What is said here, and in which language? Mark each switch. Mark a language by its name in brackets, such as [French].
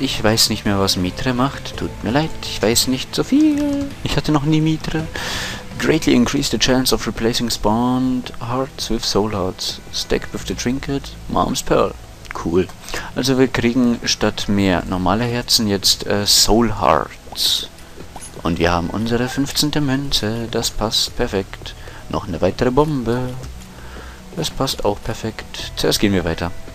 [German] Ich weiß nicht mehr, was Mithre macht. Tut mir leid. Ich weiß nicht so viel. Ich hatte noch nie Mithre. [English] Greatly increase the chance of replacing spawned hearts with soul hearts. Stack with the trinket. Mom's pearl. Cool. [German] Also wir kriegen statt mehr normale Herzen jetzt Soul Hearts. Und wir haben unsere 15. Münze. Das passt perfekt. Noch eine weitere Bombe. Das passt auch perfekt. Zuerst gehen wir weiter.